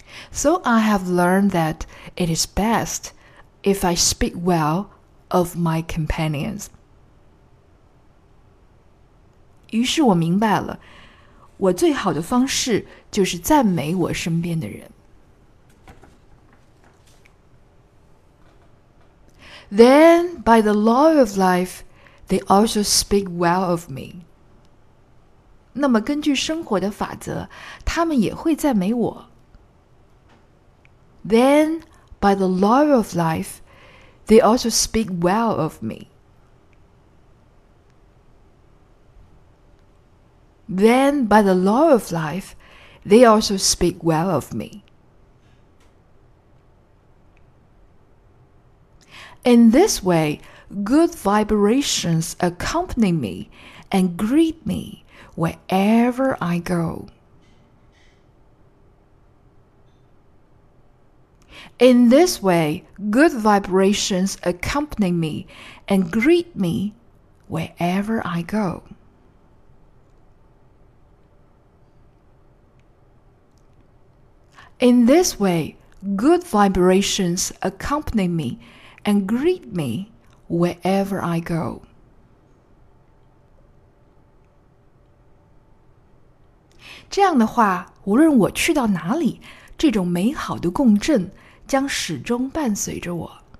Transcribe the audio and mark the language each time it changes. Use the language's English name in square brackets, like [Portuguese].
[English] So I have learned that it is best if I speak well. Of my companions. [Chinese] 于是我明白了，我最好的方式就是赞美我身边的人。 [English] Then, by the law of life, they also speak well of me. [Chinese] 那么根据生活的法则，他们也会赞美我。 [English] Then, by the law of life,They also speak well of me. Then, by the law of life, they also speak well of me. In this way, good vibrations accompany me and greet me wherever I go. In this way, good vibrations accompany me and greet me wherever I go. In this way, good vibrations accompany me and greet me wherever I go. [Chinese] 这样的话，无论我去到哪里，这种美好的共振将始终伴随着我。